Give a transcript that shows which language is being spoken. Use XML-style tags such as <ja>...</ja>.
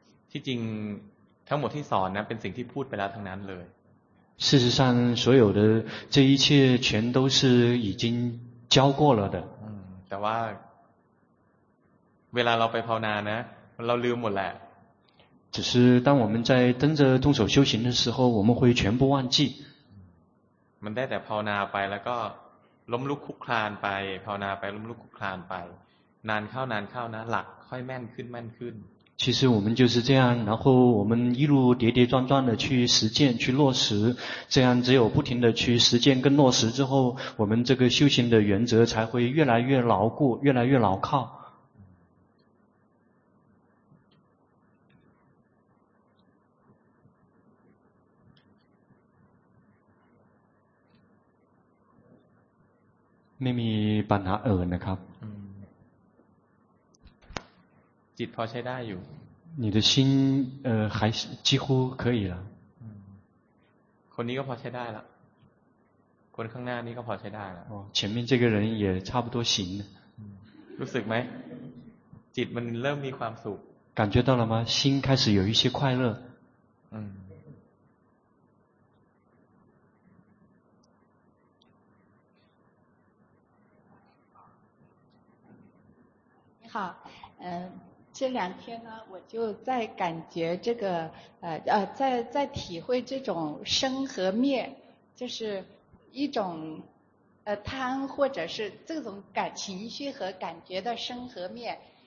<th>ที่จริงทั้งหมดที่สอนนะเป็นสิ่งที่พูดไปแล้วทั้งนั้นเลย</th> <zh>事实上所有的这一切全都是已经教过了的。</zh> <th>แต่ว่าเวลาเราไปภาวนานะเราลืมหมดแหละ</th> <zh>只是当我们在真正动手修行的时候我们会全部忘记。</zh> <th>มันได้แต่ภาวนาไปแล้วก็ล้มลุกคุกคลานไปภาวนาไปล้มลุกคุกคลานไปนานเข้านานเข้านะหลักค่อยแม่นขึ้นแม่นขึ้น</th> <zh>其实我们就是这样，然后我们一路跌跌撞撞的去实践去落实，这样只有不停的去实践跟落实之后，我们这个修行的原则才会越来越牢固，越来越牢靠。</zh> <th>ไม่มีปัญหาอื่นนะครับ จิตพอใช้ได้อยู่</th> <zh>你的心还几乎可以了。</zh> <th>คนนี้ก็พอใช้ได้ละคนข้างหน้านี้ก็พอใช้ได้ละ</th> <zh>前面这个人也差不多行了。</zh> <th>รู้สึกไหมจิตมันเริ่มมีความสุข</th> <zh>感觉到了吗心开始有一些快乐。你好，这两天呢我就在感觉这个在体会这种生和灭，就是一种贪或者是这种感情绪和感觉的生和灭，</zh>